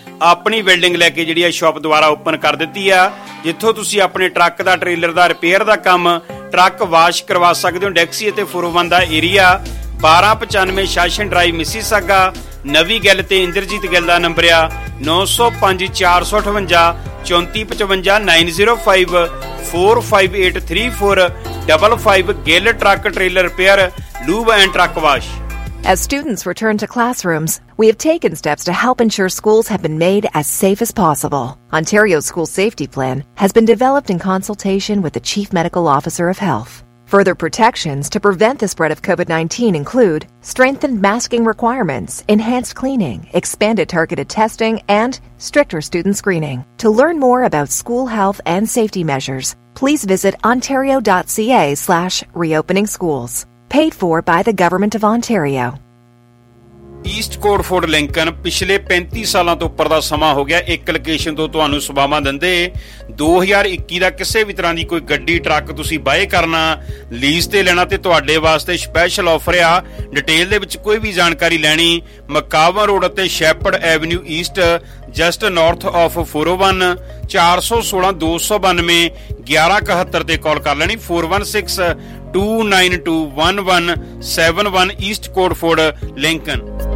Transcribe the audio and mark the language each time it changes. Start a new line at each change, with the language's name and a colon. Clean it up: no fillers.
Punjabi: ਆਪਣੀ ਬਿਲਡਿੰਗ ਲੈ ਕੇ ਜਿਹੜੀ ਆ ਸ਼ੋਪ ਦੁਆਰਾ ਓਪਨ ਕਰ ਦਿੱਤੀ ਆ ਜਿੱਥੋਂ ਤੁਸੀਂ ਆਪਣੇ ਟਰੱਕ ਦਾ ਟ੍ਰੇਲਰ ਦਾ ਰਿਪੇਅਰ ਦਾ ਕੰਮ ਟਰੱਕ ਵਾਸ਼ ਕਰਵਾ ਸਕਦੇ ਹੋ ਡੈਕਸੀ ਅਤੇ 401 ਦਾ ਏਰੀਆ 1295 ਸ਼ਾਸ਼ਨ ਡਰਾਈਵ ਮਿਸੀਸਾਗਾ ਨਵੀਂ ਗਿੱਲ ਤੇ ਇੰਦਰਜੀਤ ਗਿੱਲ ਦਾ ਨੰਬਰ ਆ 905-458-3455 Gill truck trailer repair lube and truck wash
English: As students return to classrooms, we have taken steps to help ensure schools have been made as safe as possible. Ontario's School Safety Plan has been developed in consultation with the Chief Medical Officer of Health. Further protections to prevent the spread of COVID-19 include strengthened masking requirements, enhanced cleaning, expanded targeted testing, and stricter student screening. To learn more about school health and safety measures, please visit ontario.ca/reopeningschools. Paid for by the Government of Ontario.
Punjabi: East code four Lincoln ਪਿਛਲੇ 35 ਸਾਲਾਂ ਤੋਂ ਉੱਪਰ ਦਾ ਸਮਾਂ ਹੋ ਗਿਆ ਇੱਕ location ਤੋਂ ਤੁਹਾਨੂੰ ਸੇਵਾਵਾਂ ਦਿੰਦੇ 2021 ਦਾ ਕਿਸੇ ਵੀ ਤਰ੍ਹਾਂ ਦੀ ਕੋਈ ਗੱਡੀ ਟਰੱਕ ਤੁਸੀਂ ਬਾਏ ਕਰਨਾ ਲੀਜ਼ ਤੇ ਲੈਣਾ ਤੇ ਤੁਹਾਡੇ ਵਾਸਤੇ ਸਪੈਸ਼ਲ ਆਫਰ ਆ ਡਿਟੇਲ ਦੇ ਵਿੱਚ ਕੋਈ ਵੀ ਜਾਣਕਾਰੀ ਲੈਣੀ ਮਕਾਵਾਂ ਰੋਡ ਅਤੇ shepherd avenue East just north of 401 416-292-1171 ਤੇ ਕਾਲ ਕਰ ਲੈਣੀ 416-292-1171 ਈਸਟ ਕੋਡ ਫੋਰ ਲਿੰਕਨ